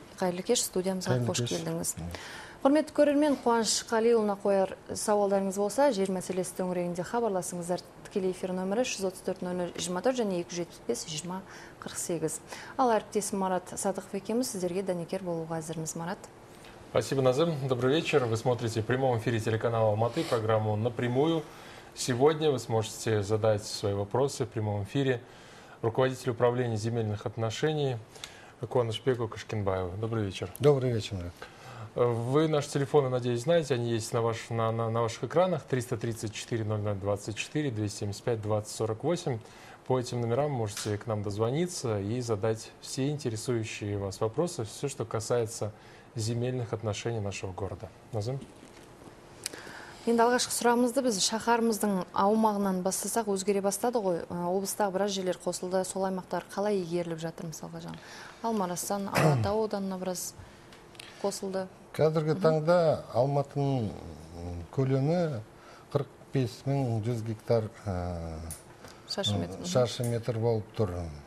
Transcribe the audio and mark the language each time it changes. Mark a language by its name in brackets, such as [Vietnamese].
[Kazakh] Қайырлы кеш, студиямызға қош келдіңіз. Құрметті көрермен, Қуаныш Қалиұлына қояр сауалдарыңыз болса, жер мәселесі төңірегінде хабарласыңыздар. Тікелей эфир нөмірі 134-0024 және 275-2048. Ал әріптесім Марат Садықов екеміз, сіздерге дәнекер болуға әзірміз. Марат. [Russian] Спасибо, Назым. Добрый вечер. Вы смотрите в прямом эфире телеканала Алматы, программу «Напрямую». Сегодня вы сможете задать свои вопросы в прямом эфире руководителю управления земельных отношений Куанышбеку Қашқынбаеву. Добрый вечер. Добрый вечер, Марат. Вы наши телефоны, надеюсь, знаете, они есть на ваших экранах. 334-0024, 275-2048. По этим номерам можете к нам дозвониться и задать все интересующие вас вопросы, все, что касается земельных отношений нашего города. Назым. [Kazakh] Енді алғашқы сұрағымызды біз шаһарымыздың аумағынан бастасақ өзгере бастады ғой. Облыстағы біраз жерлер қосылды. Сол аймақтар қалай игеріліп жатыр мысалға жан? Алмарасан, Алатау ауданына біраз қосылды. Қазіргі таңда Алматының көлемі 45100 гектар шаршы метр болып тұр.